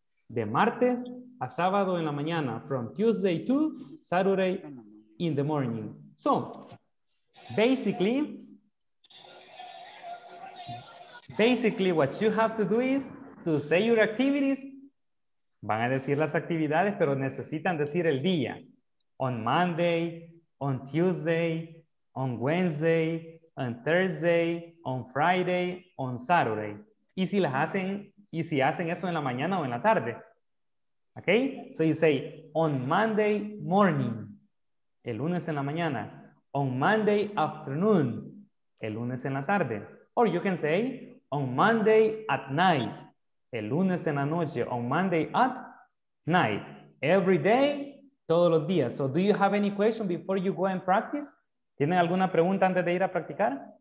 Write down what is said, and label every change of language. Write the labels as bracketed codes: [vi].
[es] De martes a sábado en la mañana. [en] From Tuesday to Saturday in the morning. So, basically what you have to do is to say your activities. [es] Van a decir las actividades, pero necesitan decir el día. [en] On Monday, on Tuesday, on Wednesday, on Thursday, on Friday, on Saturday. [es] Y si las hacen, y si hacen eso en la mañana o en la tarde. [en] Okay? So you say, on Monday morning, [es] el lunes en la mañana. [en] On Monday afternoon, [es] el lunes en la tarde. [en] Or you can say, on Monday at night, [es] el lunes en la noche. [en] On Monday at night, every day, [es] todos los días. [en] So do you have any question before you go and practice? [es] ¿Tienen alguna pregunta antes de ir a practicar?